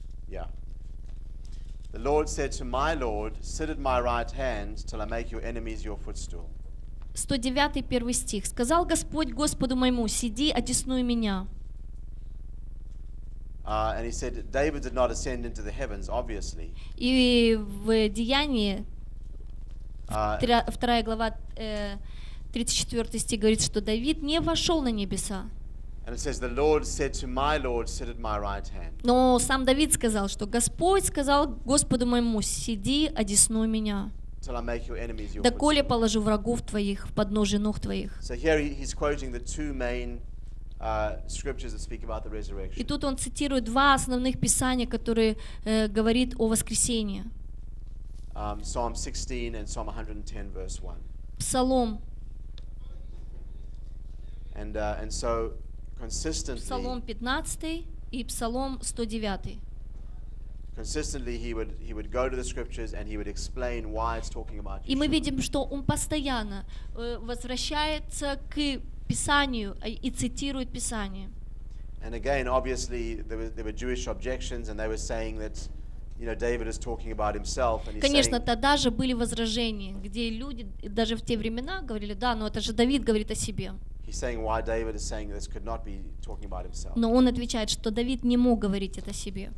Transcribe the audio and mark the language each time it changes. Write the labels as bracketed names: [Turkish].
[English] Yeah. The Lord said to my Lord, sit at my right hand till I make your enemies your footstool. [Russian] 109, первый стих. Сказал Господь Господу моему, сиди, одесную меня. [English] And he said, David did not ascend into the heavens, obviously. [Russian] И в Деянии, вторая глава, 34 стих говорит, что Давид не вошел на небеса. [English] And it says, the Lord said to my Lord, sit at my right hand. [Russian] Но сам Давид сказал, что Господь сказал Господу моему, сиди, одесную меня. [English] Till I make your enemies your. [Russian] Доколе положу врагов твоих в подножие ног твоих. [English] So here he's quoting the two main scriptures that speak about the resurrection. [Russian] И тут он цитирует два основных писания, которые говорит о воскресении. [English] Psalm 16 and Psalm 110, verse 1. [Russian] Псалом. [English] And so. [Russian] Псалом 15 и Псалом 109. [English] Consistently he would go to the scriptures and he would explain why it's talking about Yeshua. [Russian] И мы видим, что он постоянно возвращается к Писанию и цитирует Писание. [English] And again, obviously there were Jewish objections and they were saying that, you know, David is talking about himself and he's. [Russian] Конечно, тогда же были возражения, где люди даже в те времена говорили: "Да, но это же Давид говорит о себе." [English] He's saying why David is saying this could not be talking about himself. [Russian] Но он отвечает, что Давид не мог говорить это себе.